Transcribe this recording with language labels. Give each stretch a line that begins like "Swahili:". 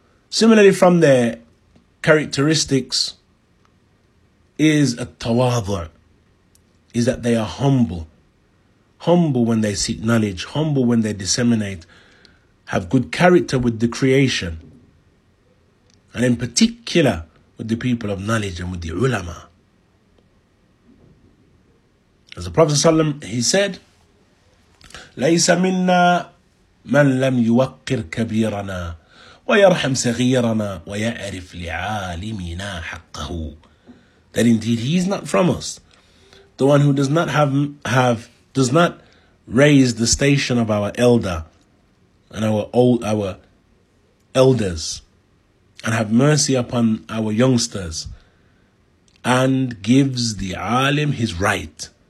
English: Similarly, from their characteristics is a tawadhu, is that they are humble. Humble when they seek knowledge, humble when they disseminate, have good character with the creation, and in particular with the people of knowledge and with the ulama. As the Prophet ﷺ, he said,
Arabic: لَيْسَ مِنَّا مَنْ لَمْ يُوَقِّرْ كَبِيرَنَا وَيَرْحَمْ سَغِيرَنَا وَيَعْرِفْ لِعَالِمِنَا حَقَّهُ.
English: That indeed he is not from us, the one who does not does not raise the station of our elder and our elders, and have mercy upon our youngsters, and gives the alim his right.